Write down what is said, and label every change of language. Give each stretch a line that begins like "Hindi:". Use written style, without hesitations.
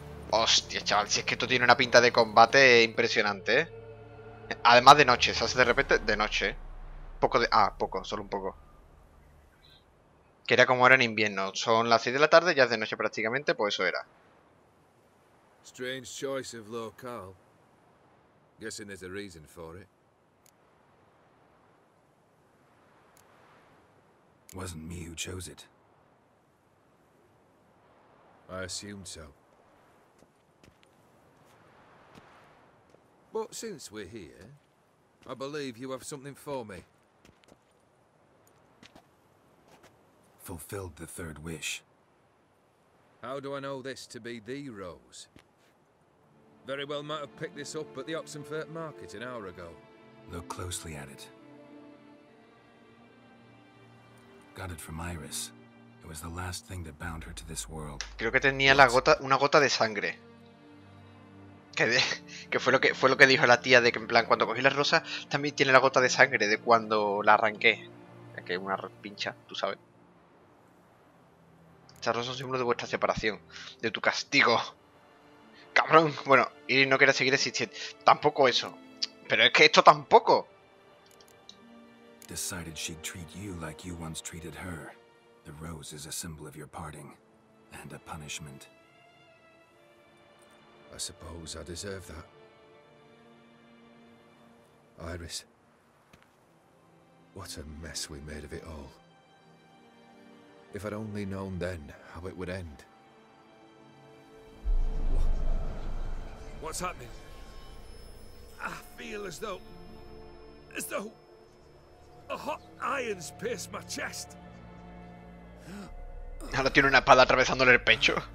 Spanish: Hostia, chaval, si es que esto tiene una pinta de combate impresionante, ¿eh? Además de noche, se hace de repente de noche. Poco de. Ah, poco, solo un poco. Que era como era en invierno. Son las 6 de la tarde, ya es de noche prácticamente, pues eso era.
English: Strange choice of locale. Guessing there's a reason for it. Wasn't me who chose it. I assumed so. But since we're here, I believe you have something for me. Fulfilled the third wish. How do I know this to be the rose? Very well might have picked this up at the Oxenfurt market an hour ago. Look closely at it. Got it from Iris. It was the last thing that bound her to this world.
Spanish: Creo que tenía la gota, una gota de sangre. Que fue lo que dijo la tía de que en plan cuando cogí la rosa también tiene la gota de sangre de cuando la arranqué. Que una pincha, tú sabes. Esta rosa es símbolo de vuestra separación, de tu castigo. Cabrón, bueno, y no quiere seguir existiendo. Tampoco eso. Pero es que esto tampoco.
English: Decided she'd treat you like you once treated her. The rose is a symbol of your parting and a punishment. I suppose I deserve that. Iris. What a mess we made of it all. If I'd only known then how it would end. What's happening? I feel as though. As though. A hot iron's pierced my chest.
Spanish: Ahora tiene una espada atravesándole el pecho.